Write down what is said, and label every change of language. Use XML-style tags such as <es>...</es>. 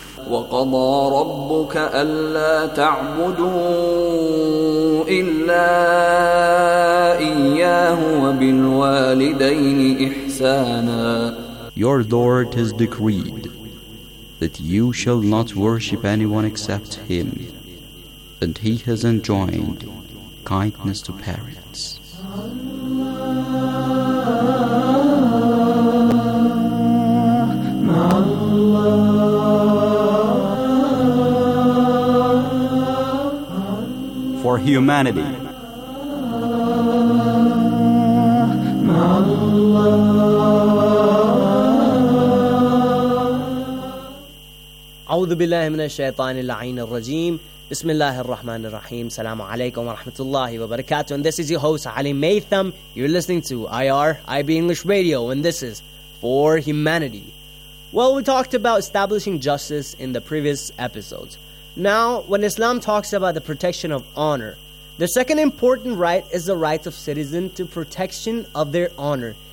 <ar>وقضى ربك ألا تعبدوا إلا إياه وبالوالدين إحسانا.</ar> <en>Your Lord has decreed that you shall not worship anyone except Him, and He has enjoined kindness to parents. For humanity.</en> <ar>أعوذ بالله من الشيطان اللعين الرجيم بسم الله الرحمن الرحيم السلام عليكم ورحمة الله وبركاته.</ar> <en>And this is your host Ali Maytham. You're listening to IRIB English Radio, and this is For Humanity. Well, we talked about establishing justice in the previous episodes. Now, when Islam talks about the protection of honor, the second important right is the right of citizen to protection of their honor.</en>